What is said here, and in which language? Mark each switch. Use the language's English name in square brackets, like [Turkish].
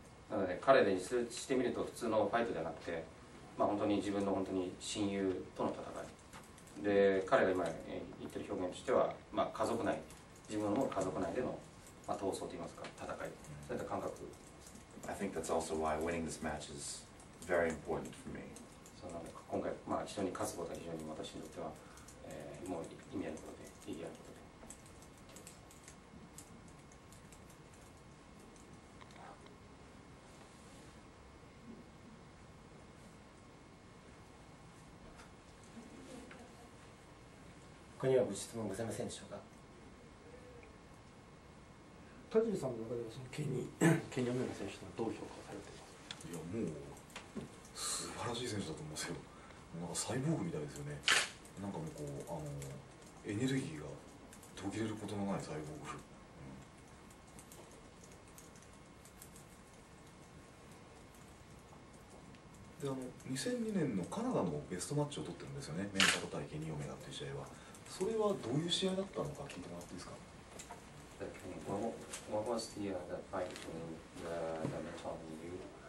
[Japanese] なので彼でしてみると普通のファイトではなくて、まあ、本当に自分の本当に親友との戦いで、彼が今言ってる表現としては、まあ、家族内、自分の家族内での、まあ、闘争といいますか戦い、そういった感覚です、ね。 [English] I think that's also why winning this match is very important for me. [Japanese] そうなので今回、まあ、人に勝つことは非常に私にとっては、もう意味あることで、意義あることで。他にはご質問ございませんでしょうか。田尻さんの中ではそのケニーオメガ選手とはどう評価されていますか。いやもう素晴らしい選手だと思うんですよ。なんかサイボーグみたいですよね。なんかもうこうあのエネルギーが途切れることのないサイボーグ。で、あの2002年のカナダのベストマッチを取ってるんですよね、メンタル対ケニーオメガという試合は。それはどういう試合だったのか聞いてもらっていいですか。 [English] What was the fight between the Mentallo and you?